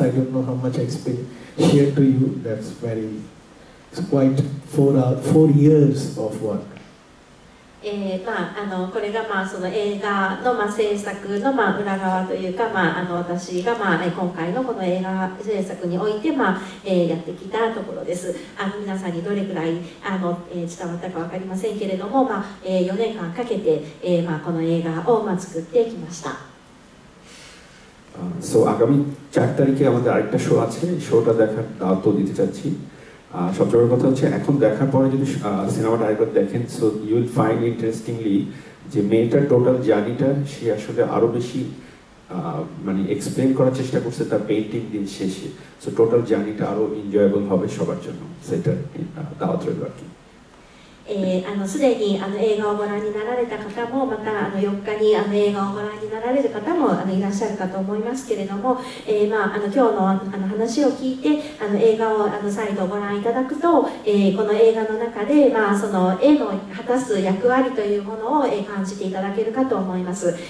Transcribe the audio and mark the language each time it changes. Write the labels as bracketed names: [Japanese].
[English] I don't know how much I share to you. That's very, it's quite four years of work. [Japanese] まあ、これが、まあ、その映画の、まあ、制作の、まあ、裏側というか、まあ、私が、まあ、今回のこの映画制作において、まあ、やってきたところです。皆さんにどれくらい伝わったか分かりませんけれども、まあ、4年間かけて、まあ、この映画を、まあ、作ってきました。 [Bangla] So, আগামী 4 তারিখে আমাদের আরেকটা show আছে, শোটা দেখার দাওয়াত দিতে চাচ্ছি। সবচেয়ে বড় কথা হচ্ছে এখন দেখার পরে যদি সিনেমাটা আরেকবার দেখেন, [English] so you will find interestingly [Bangla] যে মেয়েটার টোটাল জার্নিটা সে আসলে আরো বেশি মানে এক্সপ্লেইন করার চেষ্টা করতে তার পেইন্টিং দিন শেষে সো টোটাল জার্নিটা আরো এনজয়েবল হবে সবার জন্য সেটা দাওয়াত রইল আর কি [Japanese] すでに映画をご覧になられた方もまた4日に映画をご覧になられる方もいらっしゃるかと思いますけれども、まあ、今日の話を聞いて映画を再度ご覧いただくと、この映画の中で、まあ、その絵の果たす役割というものを感じていただけるかと思います。